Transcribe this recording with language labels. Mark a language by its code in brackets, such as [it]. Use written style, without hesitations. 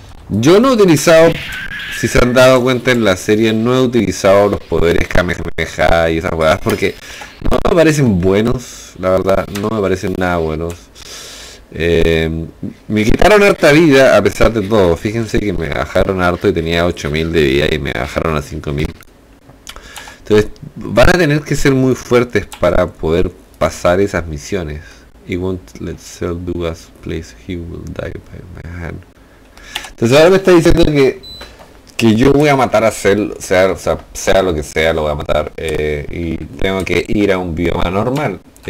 [es] Yo no he utilizado, si se han dado cuenta en la serie, no he utilizado los poderes Kamehameha y esas cosas porque no me parecen buenos, la verdad, no me parecen nada buenos. Me quitaron harta vida a pesar de todo. Fíjense que me bajaron harto y tenía 8000 de vida y me bajaron a 5000. Entonces, van a tener que ser muy fuertes para poder pasar esas misiones. [en] He won't let Cell do us place, he will die by my hand. [es] Entonces, ahora me está diciendo que yo voy a matar a Cell, o sea, lo que sea, lo voy a matar. Y tengo que ir a un bioma normal.